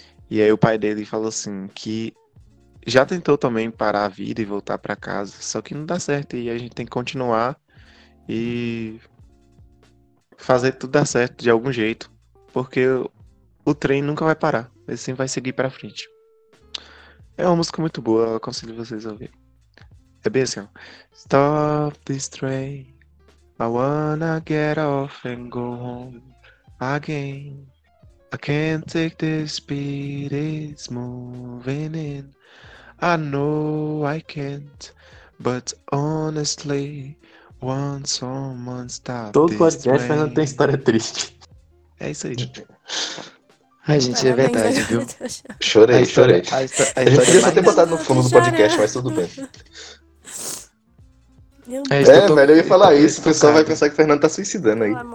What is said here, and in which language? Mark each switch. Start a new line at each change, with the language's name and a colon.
Portuguese: E aí o pai dele fala assim que... Já tentou também parar a vida e voltar pra casa, só que não dá certo e a gente tem que continuar e fazer tudo dar certo de algum jeito, porque o trem nunca vai parar, ele sempre vai seguir pra frente. É uma música muito boa, eu aconselho vocês a ouvir. É bem assim, ó.
English: Stop this train, I wanna get off and go home again. I can't take the speed, it's moving in. I know I can't, but honestly, once someone stops.
Portuguese: Todo podcast ainda tem história triste. É isso aí. Ai, gente, é verdade, viu? Chorei. A gente podia ter botado no fundo do podcast, mas tudo bem. Velho, eu ia falar isso, o pessoal vai pensar que o Fernando tá suicidando aí.